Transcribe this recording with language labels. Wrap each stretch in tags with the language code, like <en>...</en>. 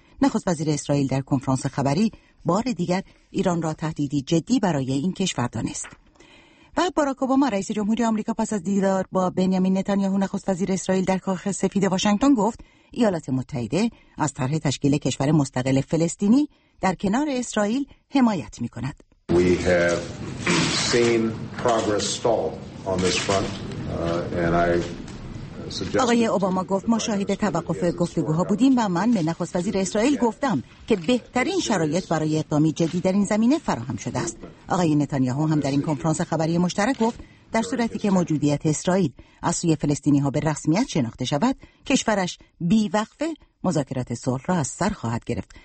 <fa>نخست وزیر اسرائیل در کنفرانس خبری بار دیگر ایران را تهدیدی جدی برای این کشور دانست. و باراک اوباما رئیس جمهوری آمریکا پس از دیدار با بنیامین نتانیاهو نخست وزیر اسرائیل در کاخ سفید واشنگتن گفت ایالات متحده از طرح تشکیل کشور مستقل فلسطینی در کنار اسرائیل حمایت می کند.</fa> <en>We have seen progress stall on this front, and I suggest.</en> <fa>آقای اوباما گفت ما شاهد توقف گفتگوها بودیم و من به نخست وزیر اسرائیل گفتم که بهترین شرایط برای اقدامی جدید در این زمینه فراهم شده است. آقای نتانیاهو هم در این کنفرانس خبری مشترک گفت در صورتی که موجودیت اسرائیل از سوی فلسطینی ها به رسمیت شناخته شود، کشورش بی وقفه مذاکرات صلح را از سر خواهد گرفت.</fa>